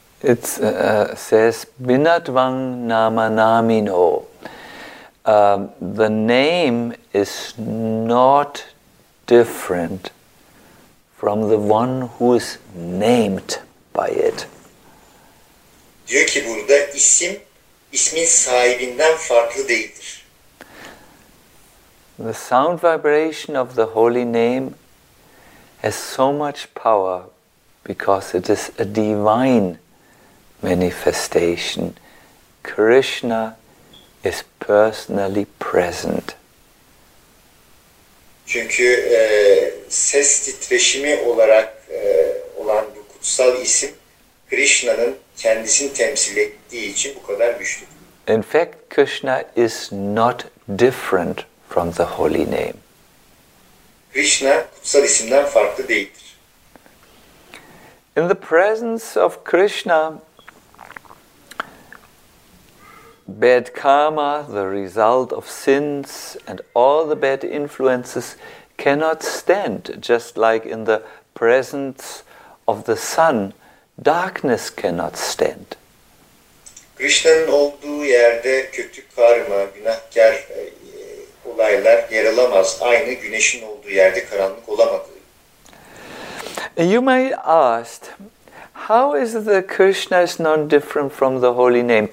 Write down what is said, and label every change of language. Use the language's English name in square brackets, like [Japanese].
[English] It says, Binatvang Namanamino. The name is not different from the one who is named by it. [Turkish] Diyor ki burada isim, ismin sahibinden farklı değildir. [English] The sound vibration of the holy name has so much power because it is a divine manifestation. Krishna is personally present. [Turkish] Çünkü ses titreşimi olarak olan bu kutsal isim Krishna'nın kendisini temsil ettiği için bu kadar güçlü. [English] In fact, Krishna is not different from the holy name. [Turkish] Krishna kutsal isimden farklı değildir. [English] In the presence of Krishna, bad karma, the result of sins, and all the bad influences cannot stand, just like in the presence of the sun, darkness cannot stand. [Turkish] Krishna'nın olduğu yerde kötü karma, günahkar olaylar yer alamaz. Aynı güneşin olduğu yerde karanlık olamadı. [English] You may ask, how is it that Krishna is not different from the holy name?